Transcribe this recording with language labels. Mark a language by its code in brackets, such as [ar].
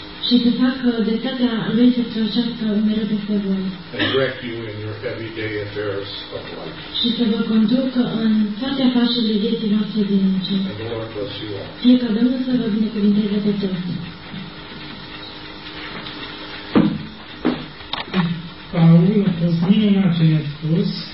[ro] Și să facă dreptatea lui să trăiască mereu de pe voi. [en] And direct you in your everyday affairs of life. [ro] Și să vă conducă în toate afacerile vieții noastre din lume. [en] And the Lord bless you all. [ro] Fie ca Domnul să vă binecuvinteze pe toți. Paul a fost minunat ce ne-a spus.